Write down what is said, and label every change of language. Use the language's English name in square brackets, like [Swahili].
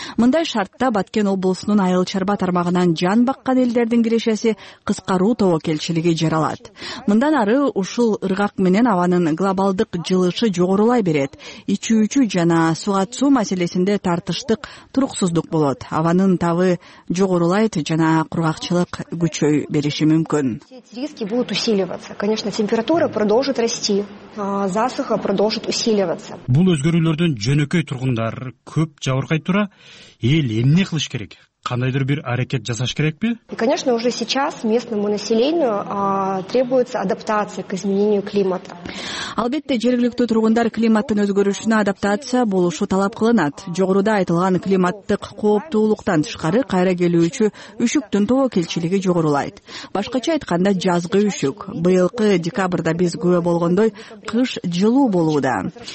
[Kyrgyz] Мындай шартта Баткен облусунун айыл чарба тармагынан жан баккан элдердин кирешеси кыскаруу тобокелчилиги жаралат. Мындан ары ушул ыргак менен абанын глобалдык жылышы жогорулай берет. Ичүүчү жана сууга түшүү маселесинде тартыштык, туруксуздук болот. Абанын табы жогорулайт жана кургакчылык күчөй берет. [Russian] Риски будут усиливаться. Конечно, температура продолжит расти, засуха продолжит усиливаться. [Kyrgyz] Бул өзгөрүүлөрдөн жөнөкөй тургундар көп жабыркайт тура, эл эмне кылыш керек? Кандайдыр бир аракет жасаш керекпи? [Russian] И, конечно, уже сейчас местному населению требуется адаптация к изменению климата. [Kyrgyz] Албетте, жергиликтүү тургундар климаттын өзгөрүшүнө адаптация болушу талап кылынат. Жогоруда айтылган климаттык кооптуулуктан тышкары кайра келүүчү үшүктүн тобокелчилиги жогорулайт. Башкача айтканда, жазгы үшүк. Быйылкы декабрда биз күбө болгондой кыш жылуу болууда.